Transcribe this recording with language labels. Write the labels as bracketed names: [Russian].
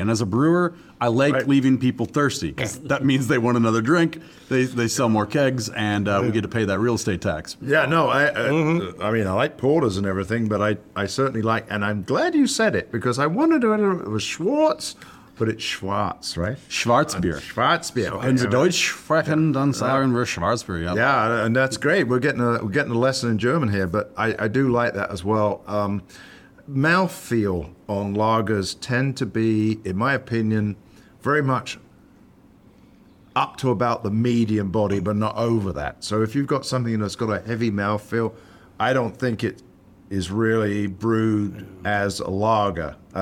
[English] And as a brewer, I like right. leaving people thirsty because that means they want another drink, they sell more kegs, and yeah. we get to pay that real estate tax. Yeah, no, I mean, I like porters and everything, but I certainly like, and I'm glad you said it because I wanted to, I don't know if it was Schwartz. But it's Schwartz, right? Schwarzbier. Schwarzbier. In the [German] Deutsch sprechen, dann sagen wir Schwarzbier. [English] Yeah. Yeah, and that's great. We're getting a lesson in German here, but I do like that as well. Mouthfeel on lagers tend to be, in my opinion, very much up to about the medium body, but not over that. So if you've got something that's got a heavy mouthfeel, I don't think it is really brewed as a lager.